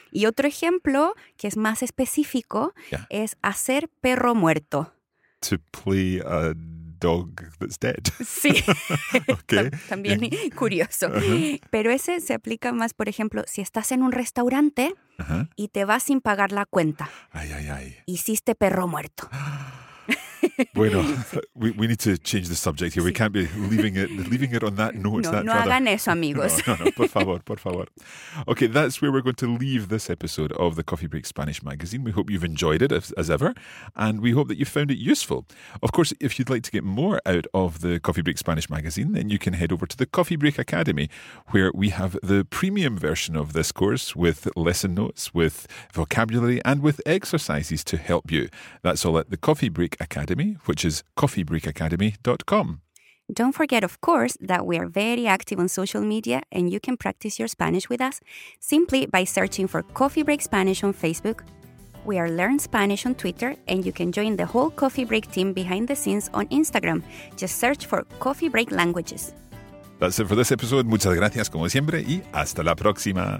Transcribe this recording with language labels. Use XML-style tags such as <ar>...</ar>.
<es>Y otro ejemplo, que es más específico, es hacer perro muerto.</es> <en>To play a dog that's dead.</en> <es>Sí.</es> <en>Okay.</en> <es>También curioso. Pero ese se aplica más, por ejemplo, si estás en un restaurante y te vas sin pagar la cuenta. Ay, ay, ay. Hiciste perro muerto.</es> <en>Bueno, we need to change the subject here. Sí. We can't be leaving it on that note.</en> <es>Hagan eso, amigos. No, por favor, por favor.</es> <en>Okay, that's where we're going to leave this episode of the Coffee Break Spanish Magazine. We hope you've enjoyed it, as ever, and we hope that you found it useful. Of course, if you'd like to get more out of the Coffee Break Spanish Magazine, then you can head over to the Coffee Break Academy, where we have the premium version of this course with lesson notes, with vocabulary, and with exercises to help you. That's all at the Coffee Break Academy, which is coffeebreakacademy.com. Don't forget, of course, that we are very active on social media and you can practice your Spanish with us simply by searching for Coffee Break Spanish on Facebook. We are Learn Spanish on Twitter, and you can join the whole Coffee Break team behind the scenes on Instagram. Just search for Coffee Break Languages. That's it for this episode.</en> <es>Muchas gracias, como siempre, y hasta la próxima.</es>